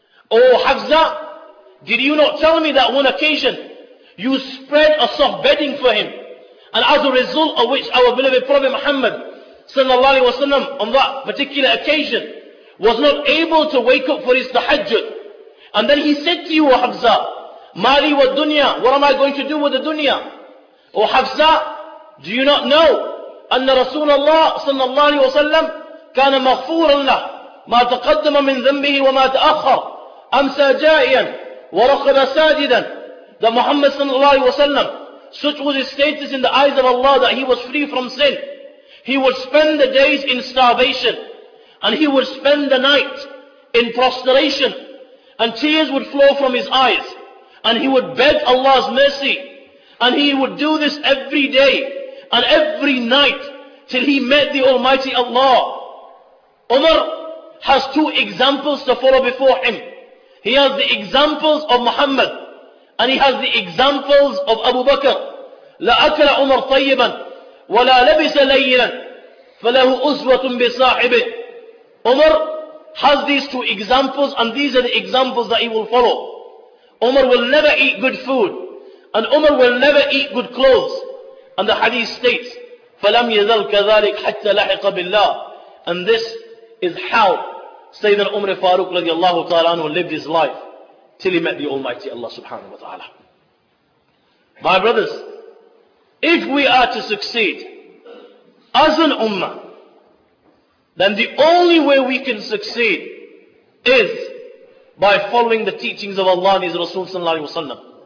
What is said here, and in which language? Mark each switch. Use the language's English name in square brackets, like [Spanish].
[English] O Hafsa, did you not tell me that one occasion you spread a soft bedding for him, and as a result of which our beloved Prophet Muhammad sallallahu alayhi wa sallam on that particular occasion was not able to wake up for his tahajjud? And then he said to you, O Hafsa, Mali wa dunya, what am I going to do with the dunya? O Hafsa, do you not know [Arabic] anna Rasulullah sallallahu alayhi wa sallam كان مغفورا له ما تقدم من ذنبه وما تأخر أمسى جائيا ورقب ساجدا. [English] The Muhammad sallallahu alayhi wa sallam, such was his status in the eyes of Allah that he was free from sin. He would spend the days in starvation and he would spend the night in prostration and tears would flow from his eyes and he would beg Allah's mercy and he would do this every day and every night till he met the Almighty Allah. Umar has two examples to follow before him. He has the examples of Muhammad and he has the examples of Abu Bakr. [Arabic] لا أكل عمر طيبا ولا لبس ليلا فله أسوة بصاحبه. [English] Umar has these two examples and these are the examples that he will follow. Umar will never eat good food and Umar will never eat good clothes. And the hadith states, [Arabic] فلم يذل كذلك حتى لحق بالله. [English] And this is how Sayyidina Umar Farooq radiallahu ta'ala anhu lived his life till he met the Almighty Allah subhanahu wa ta'ala. My brothers, if we are to succeed as an ummah, then the only way we can succeed is by following the teachings of Allah and His Rasul sallallahu alayhi wa sallam,